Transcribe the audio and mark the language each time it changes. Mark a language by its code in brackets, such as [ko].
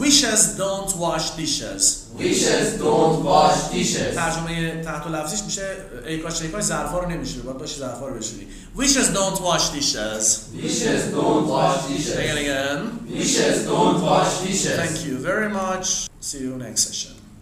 [en] wishes don't wash dishes. wishes don't wash dishes. [fa] ترجمه تحت لفظیش میشه ای کاش ای کاش ظرفا رو نمیشه، باید باشه ظرفا رو بشوری. [en] wishes don't wash dishes. wishes don't wash dishes. Again. wishes don't wash dishes. Thank you very much. See you next session.